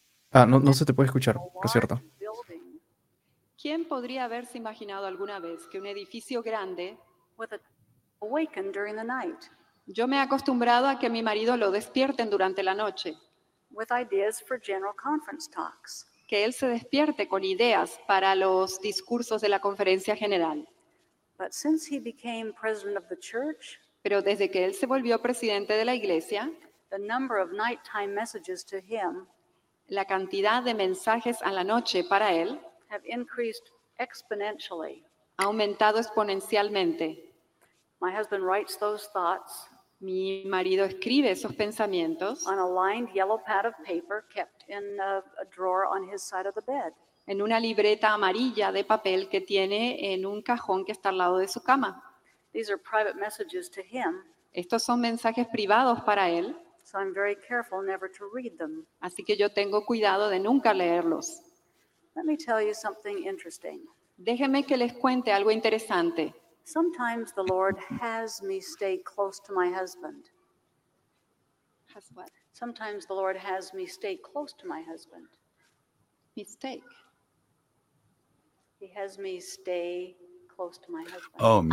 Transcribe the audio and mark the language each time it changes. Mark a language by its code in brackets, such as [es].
[es] Ah, no se te puede escuchar, por cierto. ¿Quién podría haberse imaginado alguna vez que un edificio grande [en] awakened during the night? [es] Yo me he acostumbrado a que a mi marido lo despierten durante la noche. [en] With ideas for general conference talks. [es] Que él se despierte con ideas para los discursos de la conferencia general. [en] But since he became president of the church, [es] pero desde que él se volvió presidente de la iglesia, [en] the number of nighttime messages to him, [es] la cantidad de mensajes a la noche para él [en] have increased exponentially. [es] Ha aumentado exponencialmente. [en] My husband writes those thoughts. [es] Mi marido escribe esos pensamientos [en] on a lined yellow pad of paper kept in a drawer on his side of the bed. [es] En una libreta amarilla de papel que tiene en un cajón que está al lado de su cama. [en] These are private messages to him. [es] Estos son mensajes privados para él. [en] So I'm very careful never to read them. [es] Así que yo tengo cuidado de nunca leerlos. [en] Let me tell you something interesting. [es] Déjeme que les cuente algo interesante. [en] Sometimes the Lord has me stay close to my husband. Has what? Sometimes the Lord has me stay close to my husband. Mistake. He has me stay close to my husband.